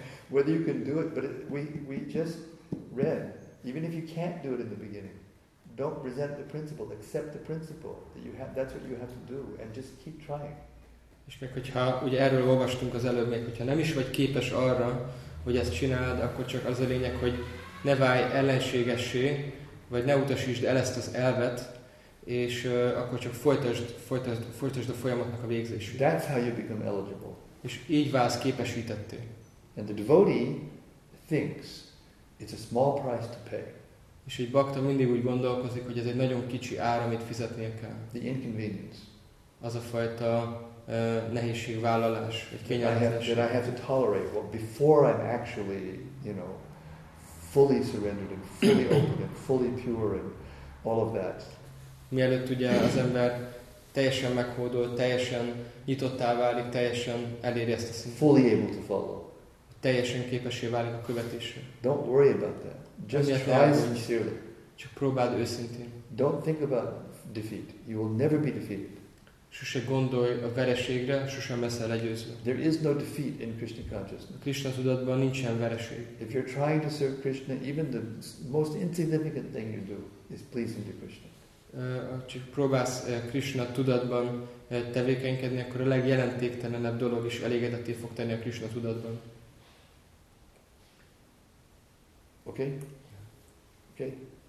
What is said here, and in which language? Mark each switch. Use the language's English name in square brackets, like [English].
[English] Whether you can do it, but we just read, even if you can't do it in the beginning, don't resent the principle, accept the principle that you have, that's what you have to do, and just keep trying. [Hungarian] És még hogyha, ugye erről olvastunk az előbb, még hogyha nem is vagy képes arra, hogy ezt csináld, akkor csak az a lényeg, hogy ne válj ellenségessé, vagy ne utasítsd el ezt az elvet, és akkor csak folytasd a folyamatnak a végzését. [English] That's how you become eligible. [Hungarian] És így válsz képesítetté. [English] And the devotee thinks it's a small price to pay. [Hungarian] És egy bhakta mindig úgy gondolkozik, hogy ez egy nagyon kicsi ár, amit fizetnie kell. [English] The inconvenience. [Hungarian] Az a fajta nehézségvállalás, egy kényelmetlenség. [English] That I have to tolerate well, before I'm actually, you know, fully surrendered and fully open and fully pure and all of that. [Hungarian] Mielőtt ugye az ember teljesen meghódol, teljesen nyitottá válik, teljesen eléri ezt a szintet. [English] Fully able to follow. [Hungarian] Teljesen képessé válik a követésre. [English] Don't worry about that. Just try sincerely. [Hungarian] Csak próbáld őszintén. [English] Don't think about defeat. You will never be defeated. [Hungarian] Sose gondolj a vereségre, sosem leszel legyőzve. [English] There is no defeat in Krishna consciousness. [Hungarian] Krishna tudatban nincsen vereség. [English] If you're trying to serve Krishna, even the most insignificant thing you do is pleasing to Krishna. [Hungarian] Csak próbálsz Krishna tudatban tevékenykedni, akkor a legjelentéktelenebb dolog is elégedetté fog tenni a Krishna tudatban. [English] Okay? Okay?